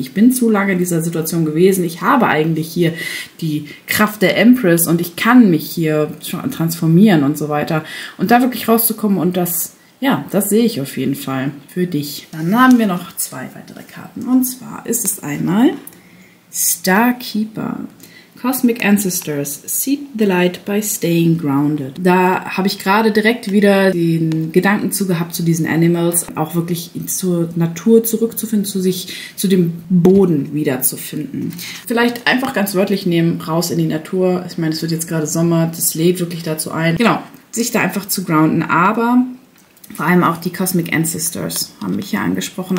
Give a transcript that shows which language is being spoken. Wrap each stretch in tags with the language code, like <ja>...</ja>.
<de>Ich bin zu lange in dieser Situation gewesen. Ich habe eigentlich hier die Kraft der Empress und ich kann mich hier transformieren und so weiter. Und da wirklich rauszukommen und das, ja, das sehe ich auf jeden Fall für dich. Dann haben wir noch zwei weitere Karten. Und zwar ist es einmal Starkeeper.</de> <en>Cosmic Ancestors, seek the light by staying grounded.</en> <de>Da habe ich gerade direkt wieder den Gedanken zu gehabt, zu diesen Animals auch wirklich zur Natur zurückzufinden, zu sich, zu dem Boden wiederzufinden. Vielleicht einfach ganz wörtlich nehmen, raus in die Natur. Ich meine, es wird jetzt gerade Sommer, das lädt wirklich dazu ein. Genau, sich da einfach zu grounden, aber vor allem auch die Cosmic Ancestors haben mich hier angesprochen.</de>